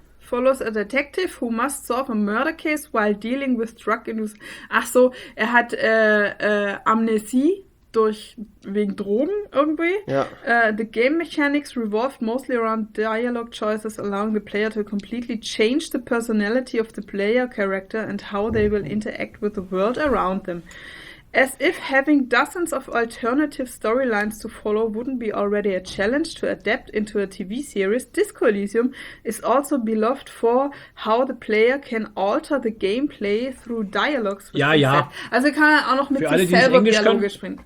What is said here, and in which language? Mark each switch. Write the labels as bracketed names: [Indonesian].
[English] Follows a detective who must solve a murder case while dealing with drug induced. [German] Ach so, er hat Amnesie wegen Drogen irgendwie. Ja. [English] The game mechanics revolve mostly around dialogue choices, allowing the player to completely change the personality of the player character and how they will interact with the world around them. As if having dozens of alternative storylines to follow wouldn't be already a challenge to adapt into a TV series, Disco Elysium is also beloved for how the player can alter the gameplay through dialogues. [German] Ja, ja. Also kann er auch noch mit sich selber Dialoge spielen.